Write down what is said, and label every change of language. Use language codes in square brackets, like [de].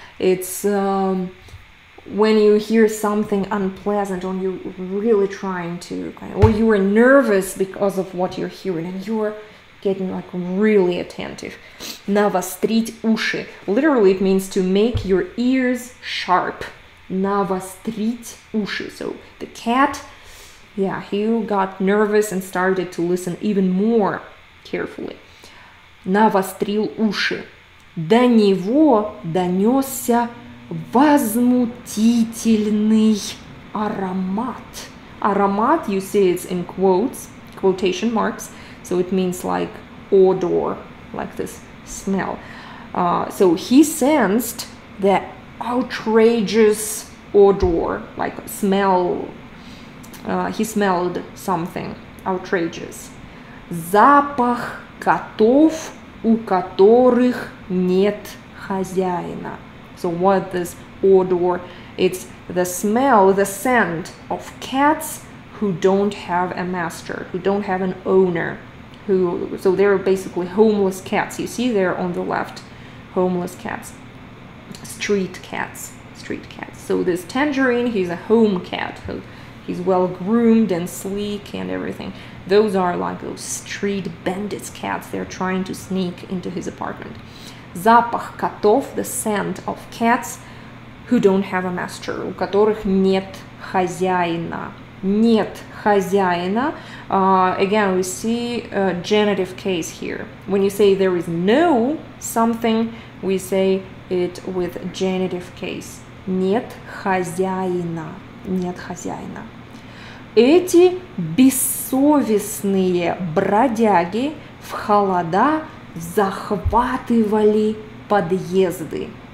[en] It's when you hear something unpleasant or you're really trying to, or you are nervous because of what you're hearing and you're getting like really attentive. [ru] Навострить уши. [en] Literally, it means to make your ears sharp. [ru] Навострить уши. [en] So the cat, yeah, he got nervous and started to listen even more carefully. [ru] Навострил уши. До него донесся возмутительный аромат. [en] Аромат, you see, it's in quotes, quotation marks. So it means like odor, like this smell. So he sensed the outrageous odor, like smell. He smelled something outrageous. [ru] Запах котов, у которых нет хозяина. [en] So what this odor? It's the smell, the scent of cats who don't have a master, who don't have an owner. So they're basically homeless cats. You see there on the left, homeless cats, street cats. So this tangerine, he's a home cat. He's well groomed and sleek and everything. Those are like those street bandits cats. They're trying to sneak into his apartment. [ru] Запах котов, [en] the scent of cats who don't have a master, [ru] у которых нет хозяина. Нет хозяина. [en] Again, we see a genitive case here. When you say there is no something, we say it with genitive case. [ru] Нет хозяина. Нет хозяина. Эти бессовестные бродяги в холода захватывали подъезды.